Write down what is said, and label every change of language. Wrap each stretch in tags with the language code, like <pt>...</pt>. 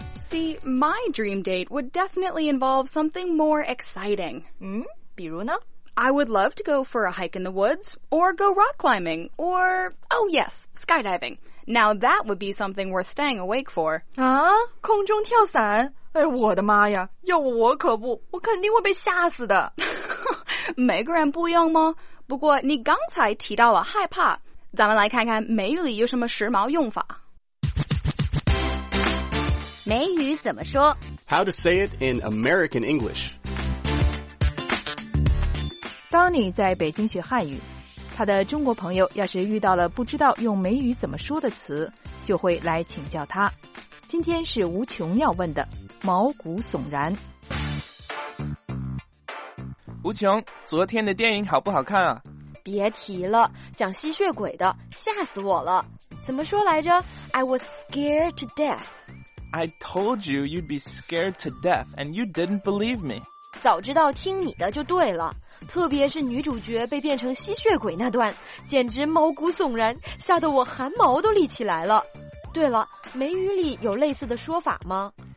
<en>See, my dream date would definitely involve something more exciting.</en> <zh>比如呢？</zh> <en>I would love to go for a hike in the woods, or go rock climbing, or, oh yes, skydiving. Now that would be something worth staying awake for.</en> <zh>啊，空中跳伞？哎，我的妈呀，要我可不，我肯定会被吓死的。每个人不一样吗？不过你刚才提到了害怕，咱们来看看美语里有什么时髦用法。美语怎么说？</zh> <en>How to say it in American English.</en> <zh>Donny 在北京学汉语，他的中国朋友要是遇到了不知道用美语怎么说的词，就会来请教他。今天是无穷要问的，毛骨悚然。吴琼，昨天的电影好不好看啊？别提了，讲吸血鬼的，吓死我了。怎么说来着？</zh> <en>I was scared to death. I told you you'd be scared to death, and you didn't believe me.</en> <zh>早知道听你的就对了，特别是女主角被变成吸血鬼那段，简直毛骨悚然，吓得我汗毛都立起来了。对了，美语里有类似的说法吗？</zh>